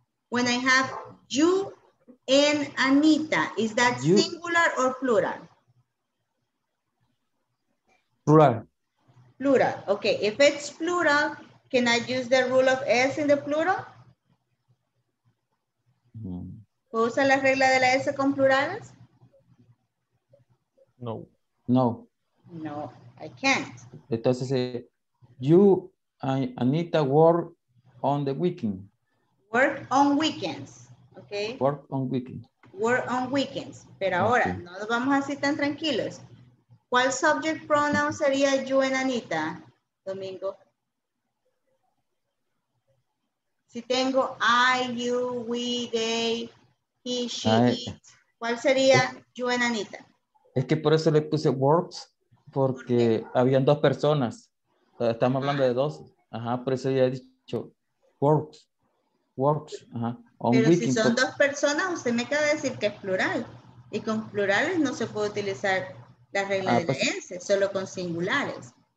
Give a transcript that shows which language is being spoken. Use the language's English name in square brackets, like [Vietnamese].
[English] When I have you and Anita, is that you, singular or plural? Plural. Plural. Okay, if it's plural, can I use the rule of S in the plural? [Spanish] ¿Puedo usar la regla de la S con plurales? [English] No. No. No, I can't. Entonces, You and Anita work on the weekend. Work on weekends, okay? Work on weekends. Work on weekends. [Spanish] Pero ahora, okay, no nos vamos así tan tranquilos. ¿Cuál subject pronoun sería you and Anita, Domingo? Si tengo I, you, we, they, he, she, it. ¿Cuál sería you and Anita? Es que por eso le puse works, porque ¿por habían dos personas? Estamos hablando de dos. Ajá, por eso ya he dicho works. Works. Ajá. On pero weekend. Si son dos personas, usted me acaba de decir que es plural. Y con plurales no se puede utilizar la regla de pues, ese, solo con singulares.